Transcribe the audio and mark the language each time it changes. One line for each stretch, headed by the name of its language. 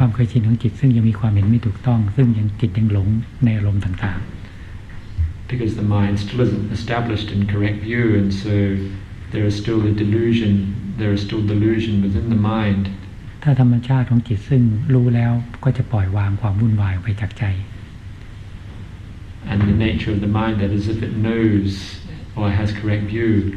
Thai: ความเคยชินของจิตซึ่งยังมีความเห็นไม่ถูกต้องซึ่งจิตยังหลงในอารมณ์ต่างๆ
English: Because the mind still isn't established in correct view and so there is still the delusion there is still delusion within the mind
Thai: ถ้าธรรมชาติของจิตซึ่งรู้แล้วก็จะปล่อยวางความวุ่นวายออกไปจากใจ
English: And the nature of the mind that is if it knows or has correct view